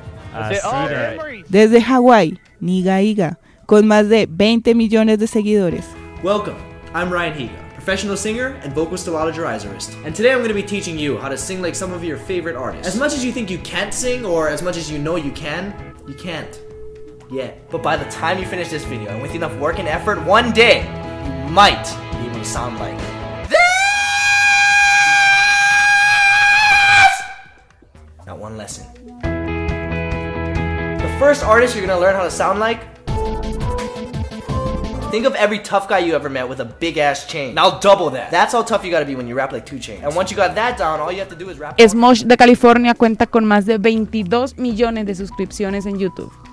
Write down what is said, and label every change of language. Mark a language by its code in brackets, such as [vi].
[es] Desde Hawái, Niga Higa, con más de 20 millones de seguidores. [en] Welcome, I'm Ryan Higa, professional singer and vocal stylogerizerist. And today I'm going to be teaching you how to sing like some of your favorite artists. As much as you think you can't sing, or as much as you know you can't. Yeah, but by the time you finish this video, and with enough work and effort, one day, you might be able to sound like this! Now one lesson. The first artist you're gonna learn how to sound like, think of every tough guy you ever met with a big ass chain. Now double that. That's how tough you gotta be when you rap like 2 Chainz. And once you got that down, all you have to do is rap. [es] Smosh de California cuenta con más de 22 millones de suscripciones en YouTube.